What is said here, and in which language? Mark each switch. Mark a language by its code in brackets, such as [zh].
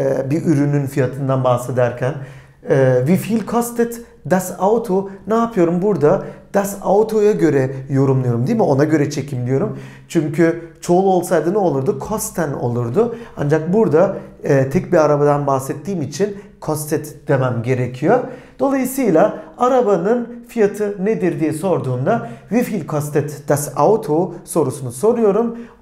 [tr] bir ürünün fiyatından bahsederken. [de] Wie viel kostet das Auto? [tr] Ne yapıyorum burada? Das Auto'ya göre yorumluyorum değil mi? Ona göre çekimliyorum. Çünkü çoğul olsaydı ne olurdu? Kosten olurdu. Ancak burada tek bir arabadan bahsettiğim için kostet demem gerekiyor. Dolayısıyla arabanın fiyatı nedir diye sorduğumda [de] wie viel kostet das Auto [tr] sorusunu soruyorum.